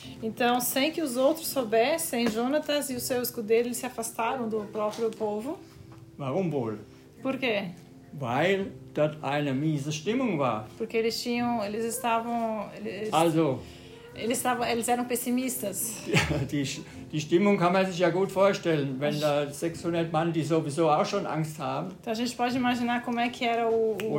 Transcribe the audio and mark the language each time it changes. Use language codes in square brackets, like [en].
[pt] Então, sem que os outros soubessem, Jonatas e o seu escudeiro se afastaram do próprio povo. [de] Warum wohl? [pt] Por quê? [de] Weil dort eine miese Stimmung war. [pt] Porque eles estavam. [de] Also. [pt] Eles eram pessimistas. [de] Die Stimmung kann man sich ja gut vorstellen, wenn da 600 Mann, die sowieso auch schon Angst haben. [pt] Então a gente pode imaginar como é que era o